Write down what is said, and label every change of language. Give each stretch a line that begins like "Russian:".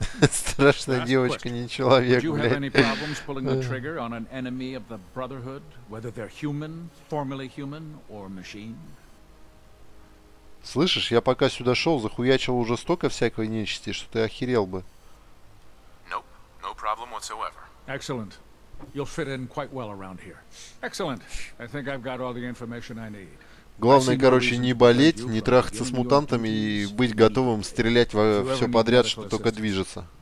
Russian: Страшная девочка, не человек, блядь. Слышишь, я пока сюда шел, захуячил уже столько всякой нечисти, что ты охерел бы.
English: Nope. No whatsoever. Excellent. You'll fit in quite well around here. Excellent. I think I've got all the information I need.
Russian: Главное, короче, не болеть, не трахаться с мутантами и быть готовым стрелять во все подряд, что только движется.